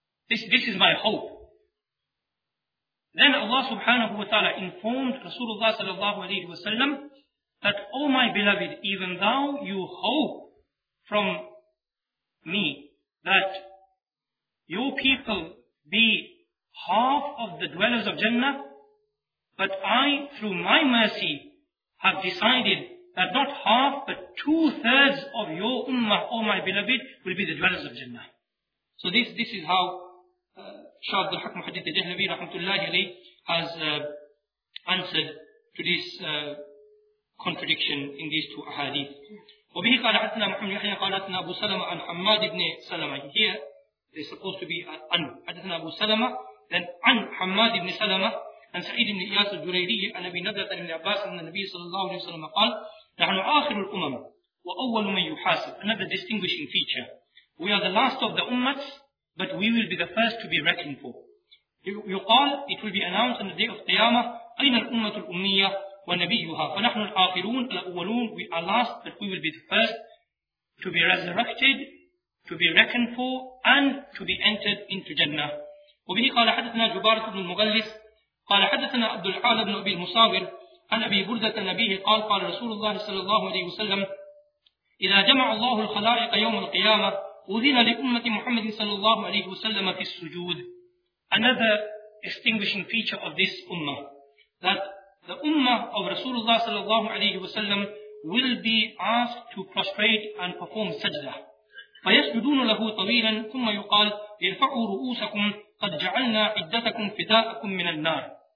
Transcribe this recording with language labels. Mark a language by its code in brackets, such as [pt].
[en] This is my hope. Then Allah subhanahu wa ta'ala informed Rasulullah sallallahu alayhi wa sallam that, O my beloved, even though you hope from me that your people be half of the dwellers of Jannah, but I, through my mercy, have decided that not half, but two-thirds of your ummah, O my beloved, will be the dwellers of Jannah. So this is how Shah Abdul Haq Muhaddith al-Dahlawi rahmatullahi alayhi has answered to this contradiction in these two ahadith. [ar] وبه قال حدثنا محمد يحيى قال حدثنا أبو سلمة عن حماد بن سلمة. [en] Here they're supposed to be [ar] عن حدثنا أبو سلمة then عن حماد بن سلمة عن سعيد بن إياس الجريري عن أبي نضرة بن عباس أن النبي صلى الله عليه وسلم قال نحن آخر الأمم وأول من يحاسب. [en] Another distinguishing feature: we are the last of the ummats, but we will be the first to be reckoned for. [ar] يقال, [en] it will be announced on the day of [ar] قيامة أين الأمة الأمية ونبيها فنحن الآخرون الأولون. [en] We are last, but we will be the first to be resurrected, to be reckoned for, and to be entered into Jannah. [ar] وبه قال حدثنا جبارة بن المغلس قال حدثنا عبد العال بن أبي المصابر عن أبي بردة نبيه قال قال رسول الله صلى الله عليه وسلم إذا جمع الله الخلائق يوم القيامة أذن لأمة محمد صلى الله عليه وسلم في السجود. [en] Another distinguishing feature of this ummah, that the ummah of Rasulullah sallallahu alayhi wa sallam will be asked to prostrate and perform sajda. [ar] فَيَسْجُدُونَ لَهُ طَوِيلًا ثُمَّ يُقَالْ اِرْفَعُوا رُؤُوسَكُمْ قَدْ جَعَلْنَا عِدَّتَكُمْ فِدَاءَكُمْ مِنَ النَّارِ.